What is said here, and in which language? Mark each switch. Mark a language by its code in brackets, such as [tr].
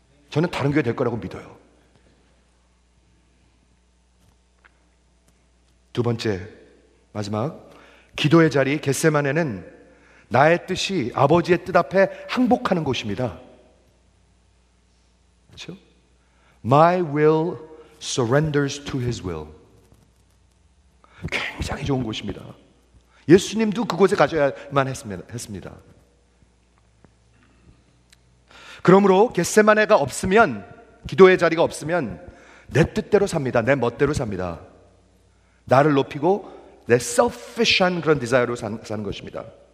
[ko] 저는 다른 교회 될 거라고 믿어요. 두 번째, 마지막 기도의 자리 겟세마네는 나의 뜻이 아버지의 뜻 앞에 항복하는 곳입니다. 그렇죠? [en] My will surrenders to his will. [ko] 굉장히 좋은 곳입니다. 예수님도 그곳에 가셔야만 했습니다. 그러므로 겟세마네가 없으면, 기도의 자리가 없으면 내 뜻대로 삽니다. 내 멋대로 삽니다. 나를 높이고 내 selfish한 그런 desire로 사는 것입니다.